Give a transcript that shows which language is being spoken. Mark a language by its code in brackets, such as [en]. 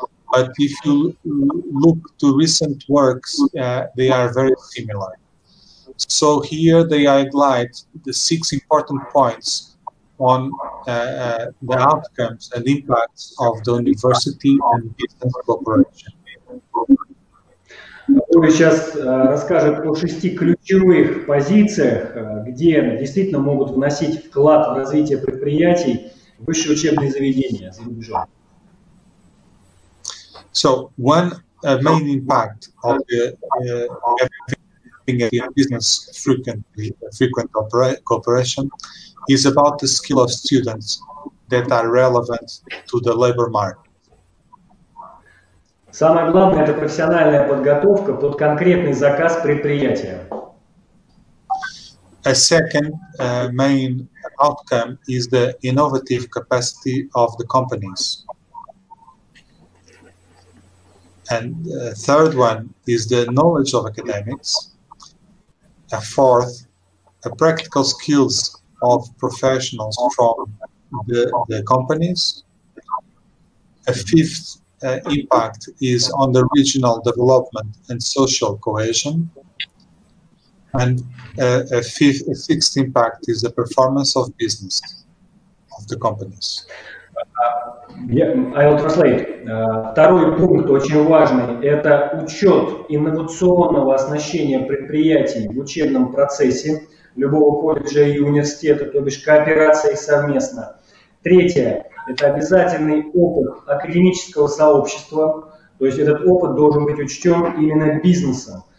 [en] But if you look to recent works, they are very similar. So here they highlight the six important points on the outcomes and impacts of the university and business cooperation. [ru] Ольга сейчас расскажет о шести ключевых позициях, где действительно могут вносить вклад в развитие предприятий высшие учебные заведения за рубежом. [en] So one main impact of having a business frequent cooperation is about the skill of students that are relevant to the labor market. [ru] Самое главное – это профессиональная подготовка под конкретный заказ предприятия. [en] A second main outcome is the innovative capacity of the companies. And the third one is the knowledge of academics. A fourth, the practical skills of professionals from the companies. A fifth impact is on the regional development and social cohesion. And a sixth impact is the performance of business of the companies. I will translate. [ru] Второй пункт очень важный – это учет инновационного оснащения предприятий в учебном процессе любого колледжа и университета, то бишь кооперация их совместно. Третье – это обязательный опыт академического сообщества, то есть этот опыт должен быть учтен именно бизнесом.